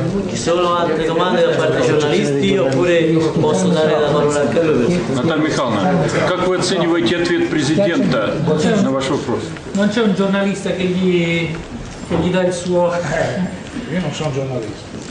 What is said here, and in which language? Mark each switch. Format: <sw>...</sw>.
<it>Ci sono altre domande da parte dei giornalisti, oppure posso dare la parola a Carlo?</it> <ru>Наталья Михайловна, как вы оцениваете ответ президента на ваш вопрос?</ru> <it>Non c'è un giornalista che gli dà il suo. Io non sono giornalista.</it>